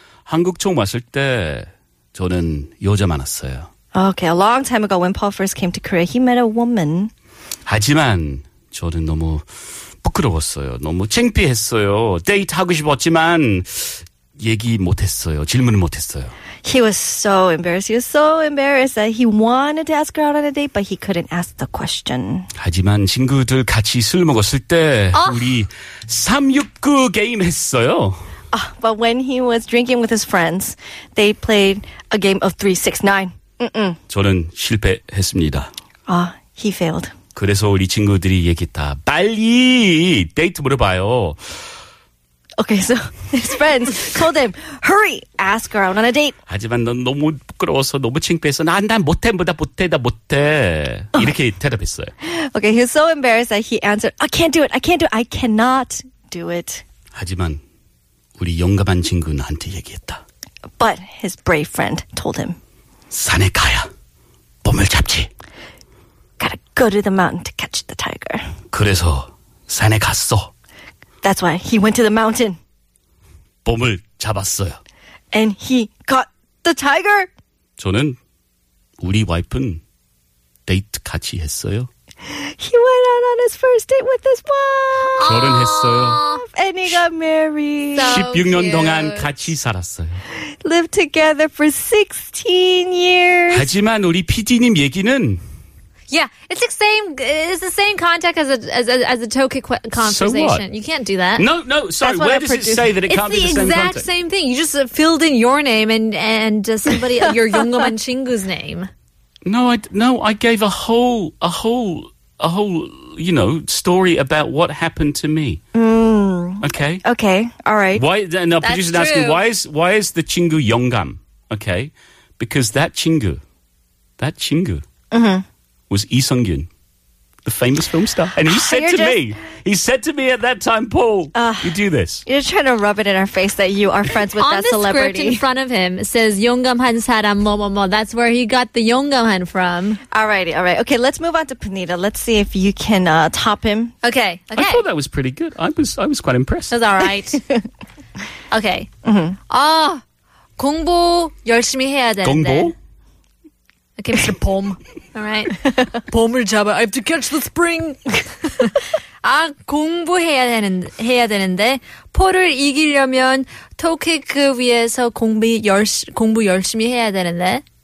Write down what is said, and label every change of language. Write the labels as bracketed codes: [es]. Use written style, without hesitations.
[ko] 한국 처음 왔을 때 저는 여자 만났어요. [en] Okay, a long time ago when Paul first came to Korea, he met a woman. [ko] 하지만 저는 너무 부끄러웠어요. 너무 창피했어요. 데이트하고 싶었지만 얘기 못했어요. 질문을 못했어요. [en] He was so embarrassed. He was so embarrassed that he wanted to ask her out on a date, but he couldn't ask the question. [ko] 하지만 친구들 같이 술 먹었을 때 우리 369 게임 했어요. [en] But when he was drinking with his friends, they played a game of 369. Mm-mm. [ko] 저는 실패했습니다. [en] He failed. [ko] 그래서 우리 친구들이 얘기했다. 빨리 데이트 물어봐요. [en] Okay, so his friends told him, hurry, ask her out on a date. [ko] 하지만 넌 너무 부끄러워서 너무 창피해서 난 난 못해 보다 못해 나 못해 이렇게 대답했어요. [en] Okay, he was so embarrassed that he answered, I can't do it, I can't do it, I cannot do it. [ko] 하지만 우리 용감한 친구 나한테 얘기했다. [en] But his brave friend told him, [ko] 산에 가야 봄을 잡지. [en] Gotta go to the mountain to catch the tiger. [ko] 그래서 산에 갔어. [en] That's why he went to the mountain. [ko] 봄을 잡았어요. [en] And he got the tiger. [ko] 저는 우리 와이프는 데이트 같이 했어요. [en] He went out on his first date with his wife. [ko] 결혼했어요. [en] And he got married. [ko] So 16년 cute. 동안 같이 살았어요. [en] Lived together for 16 years. [ko] 하지만 우리 PD님 얘기는 [en] Yeah, it's the same. It's the same contact as a TOKIC conversation. So you can't do that. No. Sorry. Where does it say that it can't be the same? It's the exact same thing. You just filled in your name and somebody your [ko] 용감한 친구's [en] name. No, I gave a whole you know story about what happened to me. Okay. All right. Why? No, producer's asking why is the 친구 용감? Okay, because that 친구. Mm-hmm. Was Lee Sung-kyun, the famous film star. And he said to me at that time, Paul, you do this. You're trying to rub it in our face that you are friends with that the celebrity. On the script in front of him, it says, [ko] 용감한 사람, 뭐뭐뭐. [en] That's where he got the 용감한 from. All right. Okay, let's move on to Panita. Let's see if you can top him. Okay. I thought that was pretty good. I was quite impressed. That's all right. Okay. Mm-hmm. [ko] 공부 열심히 해야 되는데. 공부? [en] Okay, Mr. Pom. All right. Pomer Jabba, I have to catch the spring. [ko] 아, 공부해야 되는데, 포를 이기려면, 토킥 위해서 공부 열심히 해야 되는데.